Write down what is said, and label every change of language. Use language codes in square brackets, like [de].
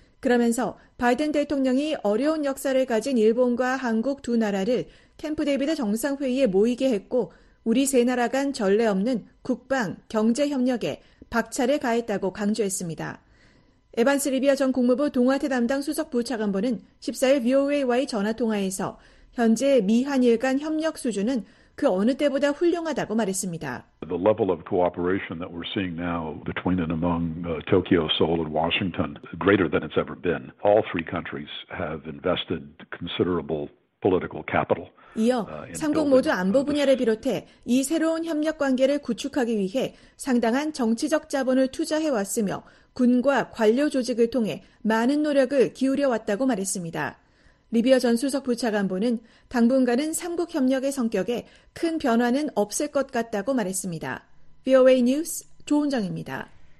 [ko] 그러면서 바이든 대통령이 어려운 역사를 가진 일본과 한국 두 나라를 캠프 데이비드 정상회의에 모이게 했고 우리 세 나라 간 전례 없는 국방, 경제협력에 박차를 가했다고 강조했습니다. 에반스 리비아 전 국무부 동아태 담당 수석부차관보는 14일 VOA와의 전화통화에서 현재 미한일 간 협력 수준은 그 어느 때보다 훌륭하다고 말했습니다. [en] The level of cooperation that we're seeing now between and among Tokyo, Seoul, and Washington greater than it's ever been. All three countries have invested considerable political capital. [ko] 이어 3국 모두 안보 분야를 비롯해 이 새로운 협력 관계를 구축하기 위해 상당한 정치적 자본을 투자해왔으며 군과 관료 조직을 통해 많은 노력을 기울여왔다고 말했습니다. 리비아 전 수석 부차관보는 당분간은 3국 협력의 성격에 큰 변화는 없을 것 같다고 말했습니다. VOA 뉴스 조은정입니다.